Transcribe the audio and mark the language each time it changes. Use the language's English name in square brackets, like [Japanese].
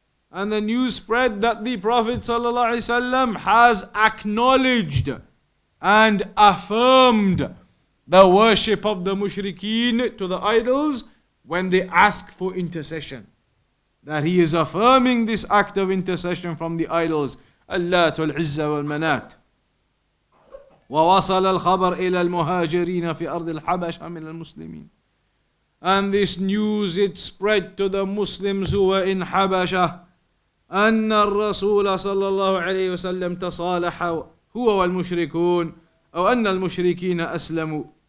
[English] And the news spread that the Prophet ﷺ has acknowledged and affirmed the worship of the mushrikeen to the idols when they ask for intercession. That he is affirming this act of intercession from the idols. [Arabic] اللات والعزة والمنات. ووصل الخبر إلى المهاجرين في أرض الحبشة من المسلمين. [English] And this news, it spread to the Muslims who were in حبشة. [Arabic] أن الرسول صلى الله عليه وسلم تصالح هو والمشركون أو أن المشركين أسلموا.